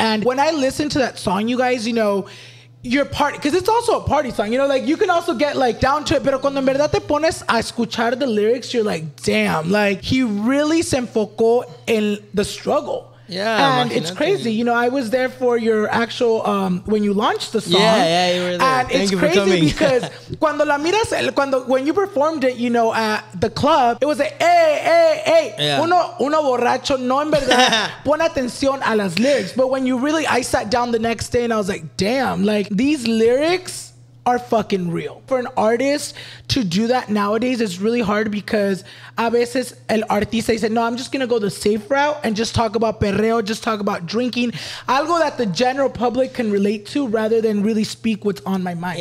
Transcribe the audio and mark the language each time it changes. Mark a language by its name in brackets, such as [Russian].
[English] And when I listen to that song, you guys, you know, your party, because it's also a party song, you know, like, you can also get like down to it, [Spanish] pero cuando en verdad te pones a escuchar [English] the lyrics, you're like, damn, like, he really [Spanish] se enfocó en [English] the struggle. Yeah, and it's crazy. You know, I was there for your actual when you launched the song. Yeah, you were there. And thank it's you crazy for coming. Because [Spanish] cuando la miras, [English] when you performed it, you know, at the club, it was like, hey, hey, hey, yeah. [Spanish] uno borracho, no en verdad, pon atención a las lyrics. [English] But when you really, I sat down the next day and I was like, damn, like, these lyrics are fucking real. For an artist to do that nowadays is really hard, because [Spanish] a veces el artista dice, no, [English] I'm just gonna go the safe route and just talk about perreo, just talk about drinking, algo that the general public can relate to, rather than really speak what's on my mind.